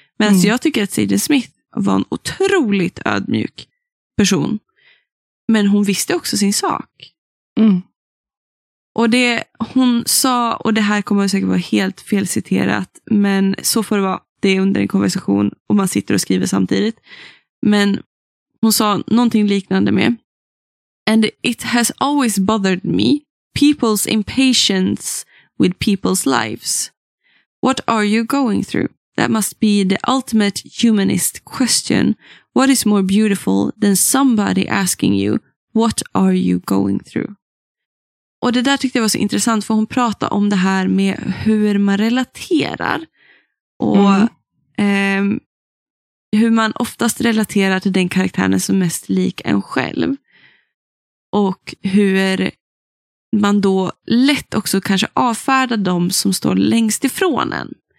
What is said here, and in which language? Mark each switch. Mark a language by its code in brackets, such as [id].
[sv] Men alltså jag tycker att Sadie Smith var en otroligt ödmjuk person. Men hon visste också sin sak. Mm. Och det hon sa, och det här kommer säkert vara helt felciterat, men så får det vara, det är under en konversation och man sitter och skriver samtidigt. Men hon sa någonting liknande med, [en] and it has always bothered me, people's impatience with people's lives. What are you going through? That must be the ultimate humanist question. What is more beautiful than somebody asking you, what are you going through? [sv] Och det där tyckte jag var så intressant, för hon pratade om det här med hur man relaterar. Och hur man oftast relaterar till den karaktären som mest lik en själv. Och hur man då lätt också kanske avfärdar de som står längst ifrån en.